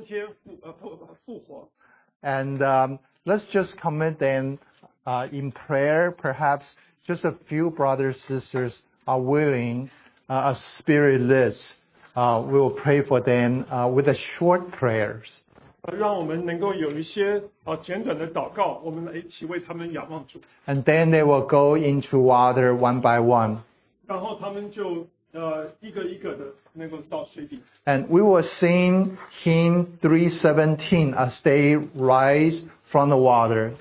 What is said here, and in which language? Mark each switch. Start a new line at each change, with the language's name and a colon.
Chinese: 我们也感谢主，他们借着敬礼能够与基督一同的受死、升天、复活。
English: And Let's just commit then in prayer, perhaps just a few brothers and sisters are willing, a spiritless, we will pray for them with a short prayers.
Chinese: 让我们能够有一些简短的祷告，我们来一起为他们仰望主。
English: And then they will go into water one by one.
Chinese: 然后他们就, 一个一个的能够到水底。
English: And we will sing Hymn 317 as they rise from the water.